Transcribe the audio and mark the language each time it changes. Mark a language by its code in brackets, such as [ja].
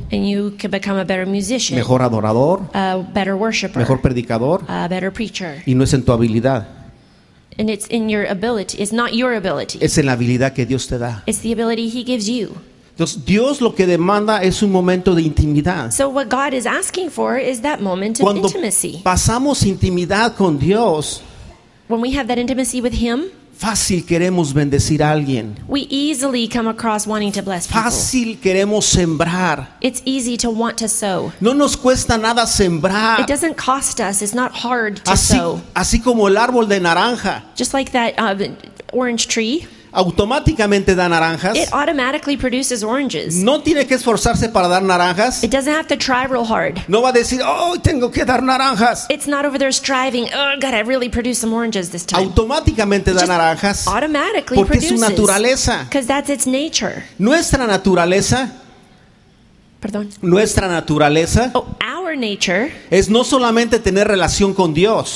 [en] And you can become a better musician. [es] Mejor adorador. [en] A better worshipper. [es] Mejor predicador. [en] A better preacher. [es] Y no es en tu habilidad. [en] And it's in your ability. It's not your ability. [es] Es en la habilidad que Dios te da. [en] It's the ability He gives you. [es] Entonces, Dios lo que demanda es un momento de intimidad. [en] So what God is asking for is that moment [es] cuando [en] of intimacy. [es] Cuando pasamos intimidad con Dios, [en] when we have that intimacy with Him, [es] fácil queremos bendecir a alguien. [en] We easily come across wanting to bless people. [es] Fácil queremos sembrar. [en] It's easy to want to sow. [es] No nos cuesta nada sembrar. [en] It doesn't cost us. It's not hard to [es] así, [en] sow. [es] Así como el árbol de naranja. [en] Just like that orange tree. [es] Automáticamente da naranjas. [en] It automatically produces oranges. [es] No tiene que esforzarse para dar naranjas. [en] It doesn't have to try real hard. [es] No va a decir, oh, tengo que dar naranjas. [en] It's not over there striving, oh, God, I really produce some oranges this time. [es] Automáticamente [en] it [es] da naranjas. [en] Automatically [es] porque [en] produces. [es] Porque es su naturaleza. [en] Because that's its nature. [es] Nuestra naturaleza. Perdón. Nuestra naturaleza. [en] Oh, our our nature. [es] Es no solamente tener relación con Dios.